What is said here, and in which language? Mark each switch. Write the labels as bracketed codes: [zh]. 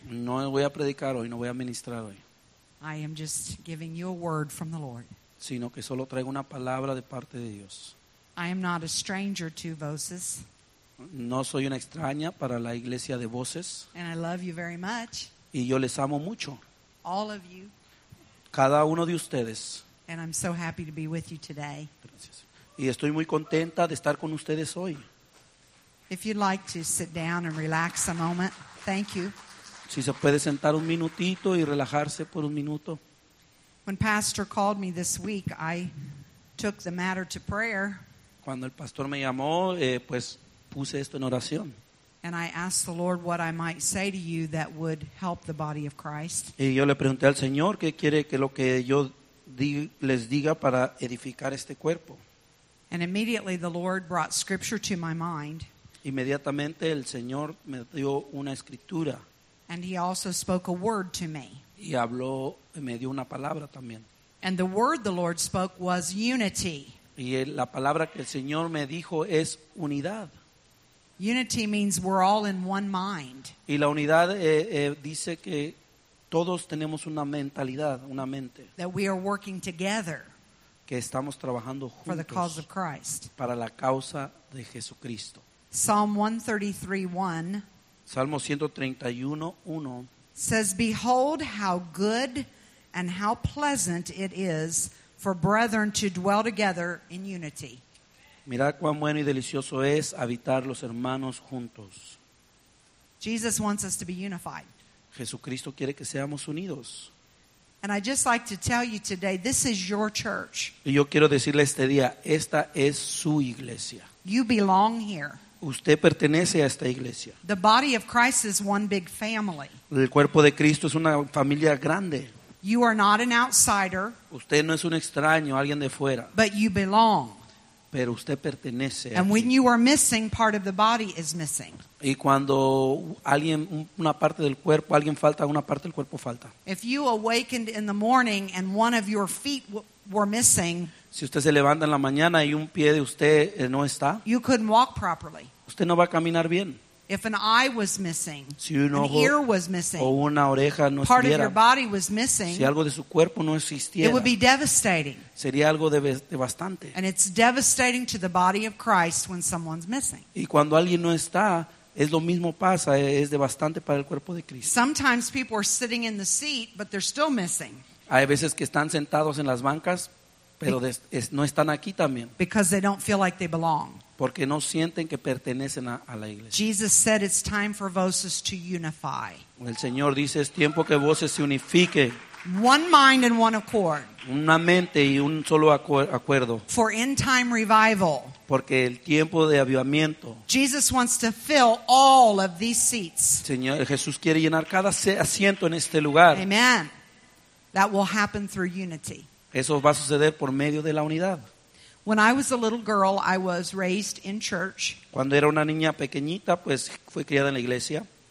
[es] No voy a predicar hoy, no voy a ministrar hoy. [en] I am just giving you a word from the Lord. [es] Sino que solo traigo una palabra de parte de Dios. [en] I am not a stranger to Voces. [es] No soy una extraña para la iglesia de Voces. [en] And I love you very much. [es] Y yo les amo mucho. [en] All of you. [es] Cada uno de ustedes. [en] And I'm so happy to be with you today. [es] Gracias. Y estoy muy contenta de estar con ustedes hoy. [en] If you'd like to sit down and relax a moment, thank you. [es] Si se puede sentar un minutito y relajarse por un minuto. [en] When Pastor called me this week, I took the matter to prayer. [es] Cuando el pastor me llamó, pues puse esto en oración. [en] And I asked the Lord what I might say to you that would help the body of Christ. [es] Y yo le pregunté al Señor qué quiere que lo que yo les diga para edificar este cuerpo. [en] And immediately the Lord brought scripture to my mind. [es] Inmediatamente el Señor me dio una escritura. [en] And he also spoke a word to me. [es] Y habló, me dio una palabra también. [en] And the word the Lord spoke was unity. [es] Y la palabra que el Señor me dijo es unidad. [en] Unity means we're all in one mind. [es] Y la unidad dice que todos tenemos una mentalidad, una mente. [en] That we are working together. [es] Que estamos trabajando juntos. [en] For the cause of Christ. [es] Para la causa de Jesucristo. [en] Psalm 133:1. [es] Salmo 131:1. [en] Says, "Behold how good and how pleasant it is for brethren to dwell together in unity." [es] Mirad cuán bueno y delicioso es habitar los hermanos juntos. [en] Jesus wants us to be unified. [es] Jesucristo quiere que seamos unidos. [en] And I just like to tell you today, this is your church. [es] Y yo quiero decirle este día, esta es su iglesia. [en] You belong here. [es] Usted pertenece a esta iglesia. [en] The body of Christ is one big family. [es] El cuerpo de Cristo es una familia grande. [en] You are not an outsider. [es] Usted no es un extraño, alguien de fuera. [en] But you belong. [es] Pero usted pertenece. [en] And when you are missing, part of the body is missing. [es] Y cuando alguien, una parte del cuerpo, alguien falta, una parte del cuerpo falta. [en] If you awakened in the morning and one of your feet were missing. [es] Si usted se levanta en la mañana y un pie de usted no está. [en] You couldn't walk properly. [es] Usted no va a caminar bien. [en] If an eye was missing, [es] si un ojo, [en] an ear was missing, [es] o una oreja no [en] part [es] estuviera, [en] of your body was missing, [es] si algo de su cuerpo no existiera, [en] it would be devastating. [es] Sería algo devastante. [en] And it's devastating to the body of Christ when someone's missing. [es] Y cuando alguien no está, es lo mismo pasa, es devastante para el cuerpo de Cristo. [en] Sometimes people are sitting in the seat, but they're still missing. [es] Hay veces que están sentados en las bancas, pero no están aquí también. [en] Because they don't feel like they belong. [es] Porque no sienten que pertenecen a la iglesia. [en] Jesus said it's time for Voces to unify. [es] El Señor dice es tiempo que Voces se unifique. [en] One mind and one accord. [es] Una mente y un solo acuerdo. [en] For end time revival. [es] Porque el tiempo de avivamiento. [en] Jesus wants to fill all of these seats. [es] Señor, Jesús quiere llenar cada asiento en este lugar. [en] Amen. That will happen through unity. [es] Eso va a suceder por medio de la unidad. [en] When I was a little girl, I was raised in church. [es] Cuando era una niña pequeñita, pues fui criada en la iglesia.